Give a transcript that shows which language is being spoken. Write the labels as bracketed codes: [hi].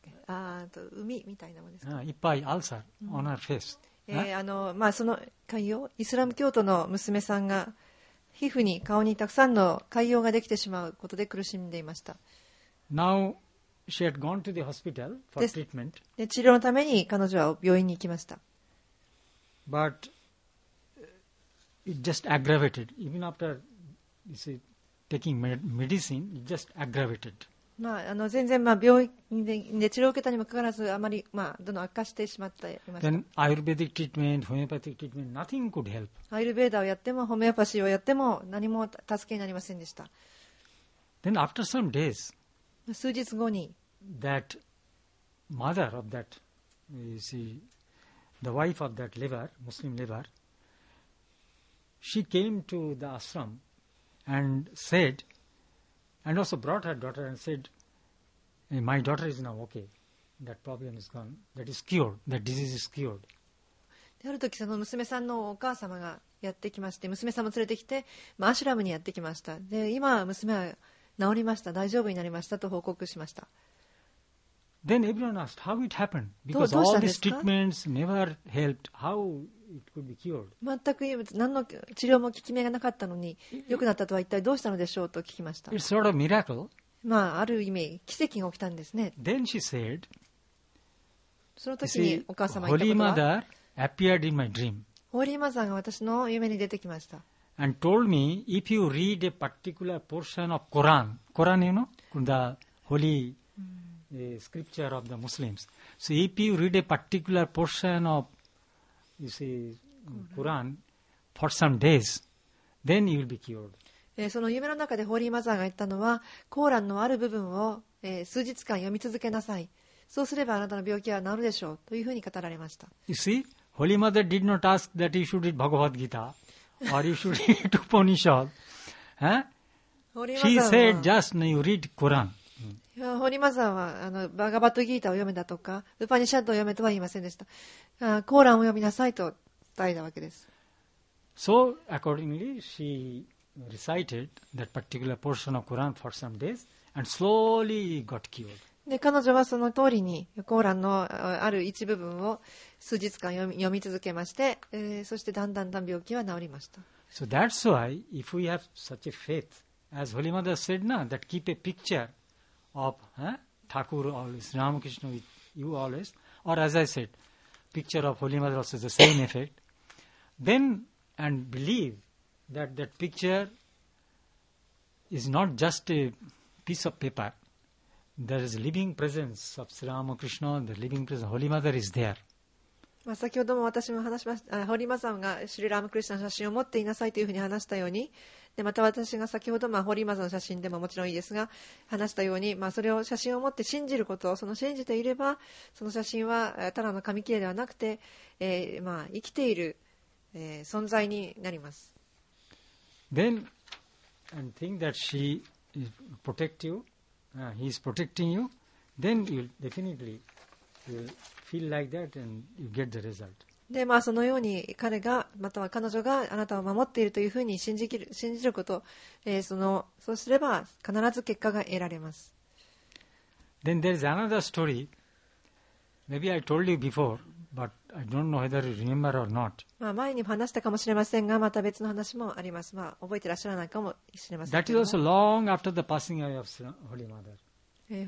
[ja] あと海みたいなものですか。いっぱい [en] ulcer on her face、 [ja] あのまあ、その関与イスラム教徒の娘さんが皮膚に顔にたくさんの潰瘍ができてしまうことで苦しんでいました。 [en] Now, she had gone to the hospital for treatment. [ja] で治療のために彼女は病院に行きました。 [en] But it just aggravated. Even after, you see, taking medicine, it just aggravated. [ja] まあ、あの全然、まあ、病院 で治療を受けたにもかかわらずあまり、まあ、どんどん悪化してしまっていました。 [en] Then, Ayurvedic treatment, homeopathic treatment, nothing could help. [ja] アイルベーダをやってもホメオパシーをやっても何も助けになりませんでした。 [en] Then, after some days, [ja] 数日後に [en] that mother of that, you see, the wife of that liver, Muslim liver, she came to the ashram and saidAnd also brought her daughter and said, "My daughter is now okay. That problem is gone. That is cured. That disease is cured." [ja] である時その娘さんのお母様がやってきまして、娘さんも連れてきて、まあ、アシュラムにやってきました。で、今娘は治りました。大丈夫になりましたと報告しました。 [en] Then everyone asked how it happened because all these treatments never helped. How it could be cured? [ja] 全く何の治療も効き目がなかったのに良くなったとは一体どうしたのでしょうと聞きました。 [en] It's sort of miracle. [ja] まあある意味奇跡が起きたんですね。 [en] Then she said, [ja] その時にお母様言ったことは、 [en] Holy Mother appeared in my dream. [ja] Holy Mother が私の夢に出てきました。 [en] And told me if you read a particular portion of Quran, Quran you know, the holy A scripture of the Muslims. So if you read a particular portion of, you see, Quran for some days, then you will be cured. [ja] その夢の中でホーリーマザーが言ったのは、コーランのある部分を数日間読み続けなさい。そうすればあなたの病気は治るでしょうというふうに語られました。 [en] You see, Holy Mother did not ask that you should read Bhagavad Gita or you should read Upanishad. She said just now you read Quran. [ja] ホリマザーはあのバガバトギータを読めだとかウパニシャッドを読めとは言いませんでした。コーランを読みなさいと伝えたわけです。 [en] So accordingly she recited that particular portion of Quran for some days and slowly got cured. [ja] で彼女はその通りにコーランのある一部分を数日間読み続けまして、そしてだんだんだん病気は治りました。 [en] So that's why if we have such a faith as Holy Mother said now that keep a pictureOf Thakur always, Ramakrishna with you always, or as I said, picture of Holy Mother also is the same effect. Then and believe that picture is not just a piece of paper. There is living presence of Sri Ramakrishna, the living presence of Holy Mother is there. [ja] まあ、先ほども私も話しました、ホリマザーがシュリ・ラームクリシナの写真を持っていなさいというふうに話したように、でまた私が先ほど、まあ、ホリマザーの写真でももちろんいいですが話したように、まあ、それを写真を持って信じることをその信じていればその写真はただの紙切れではなくて、まあ、生きている、存在になります。 [en] Then and think that she protect you、he is protecting you then you definitelyfeel like that and you get the result. [ja] で、まあ、そのように彼がまたは彼女があなたを守っているというふうに信じること、そうすれば必ず結果が得られます。 [en] Then there is another story. Maybe I told you before, but I don't know whether you remember or not. [ja] まあ前に話したかもしれませんが、また別の話もあります。まあ覚えてらっしゃらないかもしれません。 [en] That is also long after the passing away of Holy Mother.